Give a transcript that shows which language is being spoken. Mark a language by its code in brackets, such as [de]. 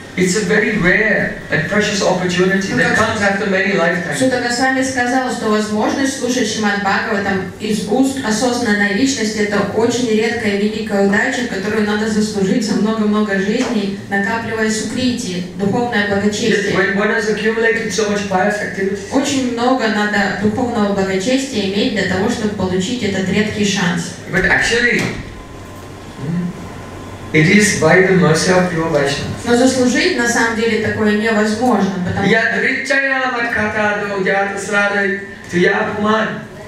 [en] It's a very rare and precious opportunity that comes after many lifetimes. [ru] Что тогда сами сказал, что возможность слушать Шримад Бхагаватам из уст осознанной личности — это очень редкая и великая удача, которую надо заслужить за много-много жизней, накапливая сукрити, духовное благочестие. [en] When one has accumulated so much pious activity. [ru] Очень много надо духовного благочестия иметь для того, чтобы получить этот редкий шанс. [en] But actually, it is by the mercy of pure Vaishnavas. [ru] Но заслужить на самом деле такое невозможно, потому что я дричая маката до ядра срады, то я пуман.